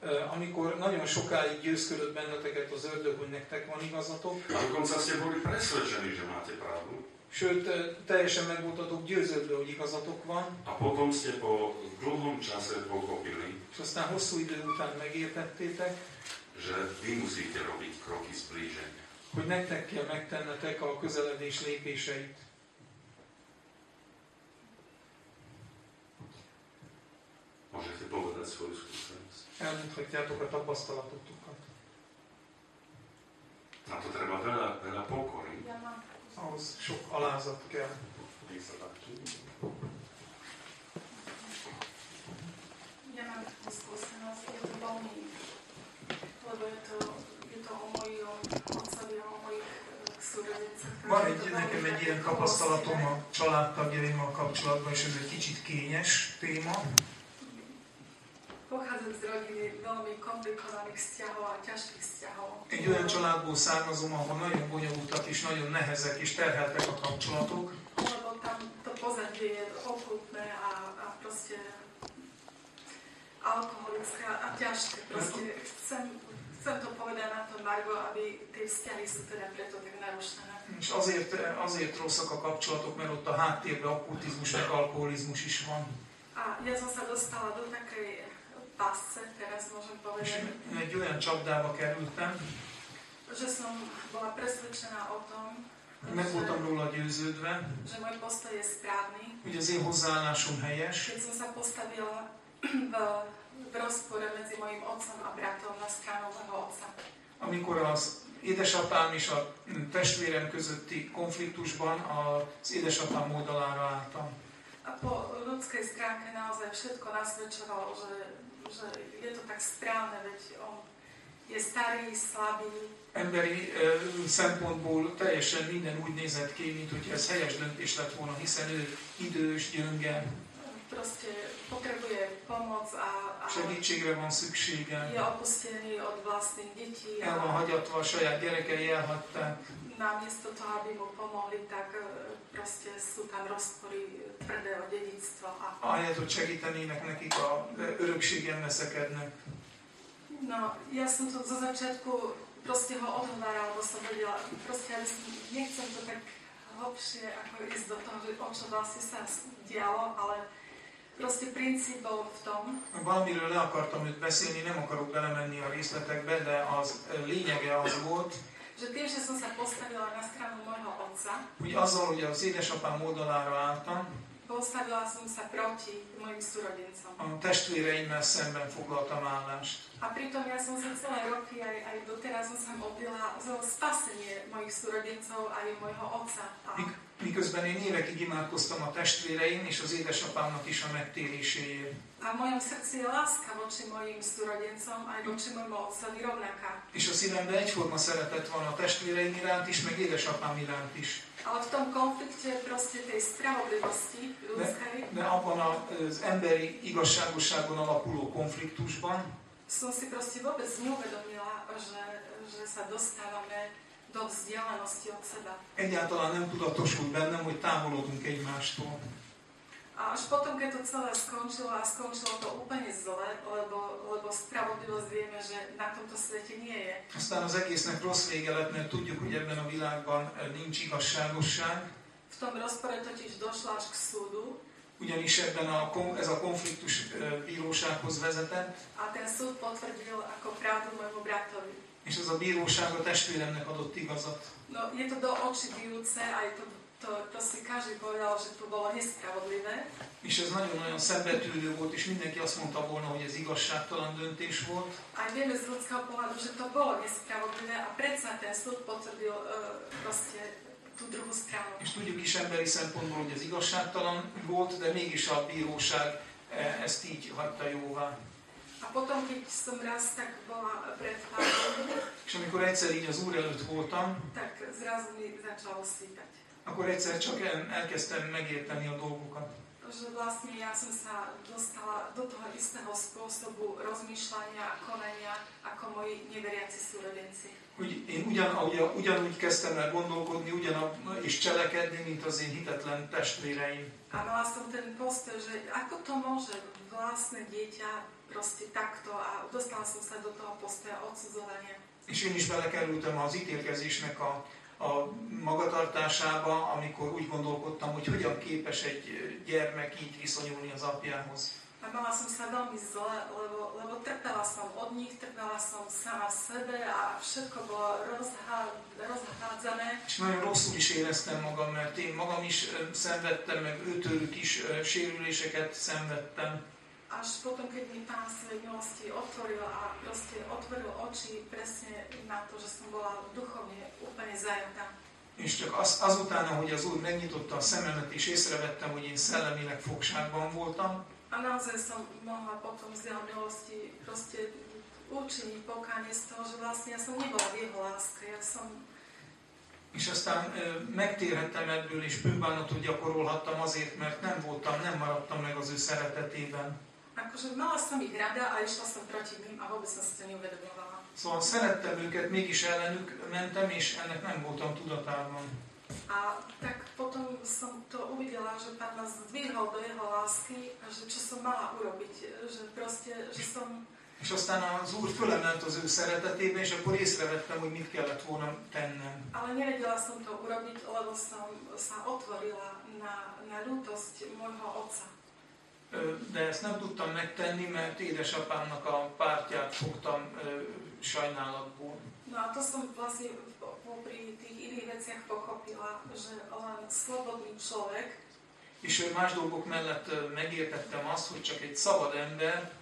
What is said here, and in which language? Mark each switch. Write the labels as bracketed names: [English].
[Hungarian] Amikor nagyon sokáig győzködött benneteket az ördög, hogy nektek van igazatok. [Slovak] A dokonca ste boli presvedčení, že máte pravdu. [Hungarian] Sőt, teljesen megvoltatok győződve, hogy igazatok van. [Slovak] A potom ste po dlhom čase pochopili. [Hungarian] És aztán hosszú idő után megértettétek. [Slovak] Že vy musíte robiť kroky zblíženia. [Hungarian] Hogy nektek kell megtennetek a közeledés lépéseit. [Slovak] Môžete povedať svoju skúsenosť. [Hungarian] Elmondhatjátok a tapasztalatotokat. [Slovak] Na to treba veľa pokory. [Hungarian] Ahhoz sok alázat kell. [Slovak] Ja mám takú skúsenosť, je to veľmi, lebo je to o mojom otcovi, o mojich súrodencoch. [Hungarian] Van egy, nekem egy ilyen tapasztalatom a családtagjaimmal kapcsolatban, és ez egy kicsit kényes téma. [Slovak] Pochádzam z rodiny veľmi komplikovaných vzťahov a ťažkých vzťahov. [Hungarian] Egy olyan családból származom, ahol nagyon bonyolultak és nagyon nehezek és terheltek a kapcsolatok. [Slovak] Lebo tam to pozadie je okrutné a proste alkoholické a ťažké. Proste chcem to povedať na to, Margo, aby tie vzťahy sú teda preto tak narušené. [Hungarian] És azért rosszak a kapcsolatok, mert ott a háttérben okkultizmus, meg alkoholizmus is van. [Slovak] A ja som sa dostala do takej pásce, teraz môžem povedať. [Hungarian] Egy olyan csapdába kerültem. [Slovak] Že som bola presvedčená o tom, [Hungarian] meg voltam róla győződve, [Slovak] že môj postoj je správny, [Hungarian] hogy az én hozzáállásom helyes, [Slovak] keď som sa postavila v rozpore medzi mojim otcom a bratom na stranu mojho otca. [Hungarian] Amikor az édesapám és a testvérem közötti konfliktusban az édesapám oldalára álltam. [Slovak] A po ľudskej stránke naozaj všetko nasvedčovalo, že je to tak správne, veď on je starý, slabý. [Hungarian] Emberi szempontból teljesen minden úgy nézett ki, mint hogy ez helyes döntés lett volna, hiszen ő idős, gyönge. [Slovak] Proste potrebuje pomoc a [Hungarian] segítségre van szüksége. [Slovak] Je opustený od vlastných detí. [Hungarian] El van hagyatva, a saját gyerekei elhagyták. [Slovak] Namiesto toho, aby mu pomohli, tak proste sú tam rozpory tvrdého dedictva. [Hungarian] Ahelyett, hogy segítenének nekik, a örökségen veszekednek. [Slovak] No, ja som to zo začiatku proste ho odhovárala, lebo som vedela, proste ja nechcem to tak hlbšie ako ísť do toho, že o čo vlastne sa dialo, ale proste princíp bol v tom. [Hungarian] Valamiről le akartam őt beszélni, nem akarok belemenni a részletekbe, de az lényege az volt, [Slovak] že tým, že som sa postavila na stranu môjho otca, [Hungarian] hogy azzal, hogy az édesapám oldalára álltam, [Slovak] postavila som sa proti mojim súrodencom. [Hungarian] A testvéreimmel szemben foglaltam állást. [Slovak] A pritom ja som sa celé roky, aj doteraz som sa modlila za spasenie mojich súrodencov aj mojho otca. [Hungarian] Miközben én évekig imádkoztam a testvéreim és az édesapámnak is a megtéréséért. [Slovak] A mojom srdci je láska voči mojim súrodencom aj voči mojmu otcovi rovnaká. [Hungarian] És a szívemben egyforma szeretet van a testvéreim iránt is, meg édesapám iránt is. [Slovak] Ale v tom konflikte proste tej spravodlivosti ľudskej. [Hungarian] De abban az emberi igazságosságon alapuló konfliktusban. [Slovak] Som si proste vôbec neuvedomila, že sa dostávame do vzdialenosti od seba. [Hungarian] Egyáltalán nem tudatosult bennem, hogy távolodunk egymástól. [Slovak] A až potom, keď to celé skončilo, a skončilo to úplne zle, lebo spravodlivosť vieme, že na tomto svete nie je. [Hungarian] Aztán az egésznek rossz vége lett, mert tudjuk, hogy ebben a világban nincs igazságosság. [Slovak] V tom rozpore totiž došlo až k súdu. [Hungarian] Ugyanis ebben ez a konfliktus bírósághoz vezetett. [Slovak] A ten súd potvrdil ako pravdu mojemu bratovi. [Hungarian] És ez a bíróság a testvéremnek adott igazat. [Slovak] No, je to do oči bijúce, a je to to si každý povedal, že to bolo nespravodlivé. [Hungarian] És ez nagyon-nagyon szembetűnő volt, és mindenki azt mondta volna, hogy ez igazságtalan döntés volt. [Slovak] A vieme z ľudského pohľadu, že to bolo nespravodlivé, a predsa ten súd potvrdil proste tú druhú stranu. [Hungarian] És tudjuk is emberi szempontból, hogy ez igazságtalan volt, de mégis a bíróság ezt így hagyta jóvá. [Slovak] A potom, keď som raz tak bola pred pánom, [Hungarian] és amikor egyszer így az Úr előtt voltam, [Slovak] tak zrazu mi začalo sýtať. [Hungarian] Akkor egyszer csak elkezdtem megérteni a dolgokat. [Slovak] Že vlastne ja som sa dostala do toho istého spôsobu rozmýšľania a konania ako moji neveriaci súrodenci. [Hungarian] Hogy én ugyanúgy kezdtem el gondolkodni, és cselekedni, mint az én hitetlen testvéreim. [Slovak] A mala som ten postoj, že ako to môže vlastne dieťa proste takto, a dostala som sa do toho postoja odsudzovania. [Hungarian] És én is belekerültem az ítélkezésnek a magatartásába, amikor úgy gondolkodtam, hogy hogyan képes egy gyermek így viszonyulni az apjához. [Slovak] A mala som sa veľmi zle, lebo trpela som od nich, trpela som sama sebe a všetko bolo rozhádzané. [Hungarian] És nagyon rosszul is éreztem magam, mert én magam is szenvedtem, meg őtőlük is sérüléseket szenvedtem. [Slovak] Až potom, keď mi pán svojej milosti otvoril a proste otvoril oči presne na to, že som bola duchovne úplne zajatá. [Hungarian] És csak azután, ahogy az Úr megnyitotta a szememet és észrevettem, hogy én szellemileg fogságban voltam, [Slovak] a naozaj som mohla potom z jeho milosti proste učiniť pokánie z toho, že vlastne ja som nebola v jeho láske, ja som... [Hungarian] És aztán megtérhettem ebből, és bűnbánatot gyakorolhattam azért, mert nem maradtam meg az ő szeretetében. [Slovak] Akože mala som ich rada, a išla som proti ním, a vôbec som si to neuvedomovala. [Hungarian] Szóval szerettem őket, mégis ellenük mentem, és ennek nem voltam tudatában. [Slovak] A tak potom som to uvidela, že pán ma zdvihol do jeho lásky a že čo som mala urobiť, že proste, že som... [Hungarian] És aztán az Úr fölemelt az ő szeretetébe, és akkor észrevettem, hogy mit kellett volna tennem. [Slovak] Ale nevedela som to urobiť, lebo som sa otvorila na lútosť môjho otca. [Hungarian] De ezt nem tudtam megtenni, mert édesapámnak a pártját fogtam sajnálatból. [Slovak] No, a to som vlastne popri tých iných veciach pochopila, že len slobodný človek. [Hungarian] És ő más dolgok mellett megértettem azt, hogy csak egy szabad ember.